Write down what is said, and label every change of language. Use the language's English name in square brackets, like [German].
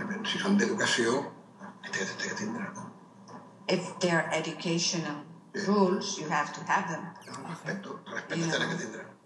[Catalan] Si són d'educació, té que tindre. [English] If they're educational rules, you have to have them. [Catalan] Respecte tenen que tindre.